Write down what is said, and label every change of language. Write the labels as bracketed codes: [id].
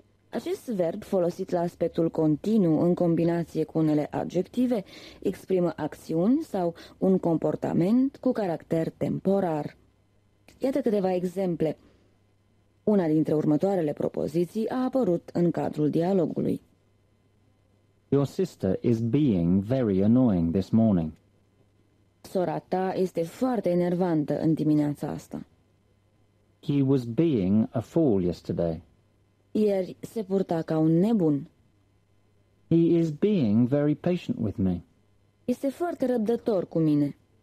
[ro] Acest verb, folosit la aspectul continuu în combinație cu unele adjective, exprimă acțiuni sau un comportament cu caracter temporar. Iată câteva exemple. Una dintre următoarele propoziții a apărut în cadrul dialogului. [en] Your sister is being very annoying this morning. [ro] Sora ta este foarte enervantă în dimineața asta. [en] He was being a fool yesterday. [ro] Ieri se purta ca un nebun. [en] He is being very patient with me. [ro] Este foarte răbdător cu mine.